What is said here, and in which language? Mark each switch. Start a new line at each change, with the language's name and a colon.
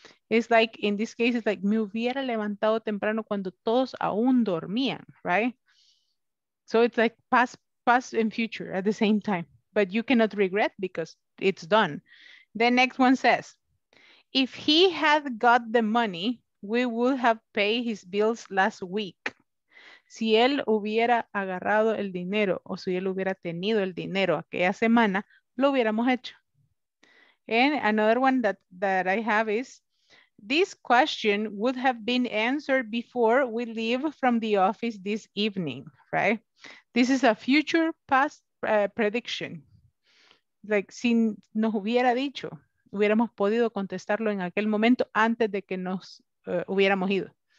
English: It's like, in this case, it's like,
Spanish: me hubiera levantado temprano cuando todos aún dormían, right?
English: So it's like past and future at the same time, but you cannot regret because it's done. The next one says, if he had got the money, we would have paid his bills last week.
Spanish: Si él hubiera agarrado el dinero o si él hubiera tenido el dinero aquella semana, lo hubiéramos hecho.
English: And another one that I have is, this question would have been answered before we leave from the office this evening, right? This is a future past prediction.
Spanish: Like, si nos hubiera dicho, hubiéramos podido contestarlo en aquel momento antes de que nos hubiéramos ido.